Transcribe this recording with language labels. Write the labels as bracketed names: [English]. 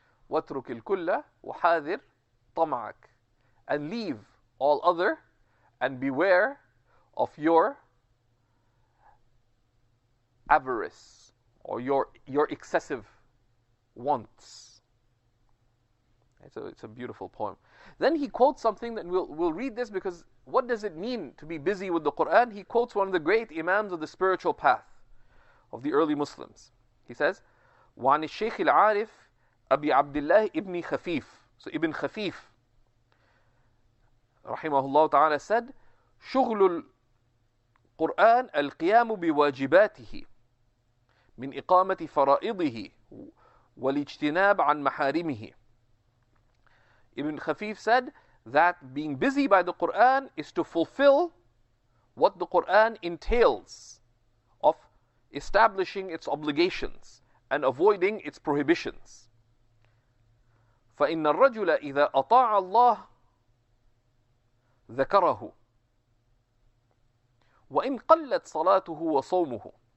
[Arabic] Watruk al-kulla wahadhir tama'ak. [English] And leave all other and beware of your avarice or your excessive wants. It's a beautiful poem. Then he quotes something that we'll read this, because what does it mean to be busy with the Quran? He quotes one of the great imams of the spiritual path of the early Muslims. He says, [Arabic] وَعَنِ الشَّيْخِ الْعَارِفِ أَبِي عَبْدِ اللَّهِ إِبْنِ خَفِيفِ. [English] So Ibn Khafif, rahimahullah ta'ala, said, [Arabic] شُغْلُ الْقُرْآنِ الْقِيَامُ بِوَاجِبَاتِهِ مِنْ إِقَامَةِ فَرَائِضِهِ وَلِاجْتِنَابِ عَنْ مَحَارِمِهِ. [English] Ibn Khafif said that being busy by the Qur'an is to fulfill what the Qur'an entails of establishing its obligations and avoiding its prohibitions. [Arabic] فَإِنَّ الرَّجُلَ إِذَا أَطَاعَ اللَّهِ ذَكَرَهُ وَإِنْ قَلَّتْ صَلَاتُهُ وَصَوْمُهُ.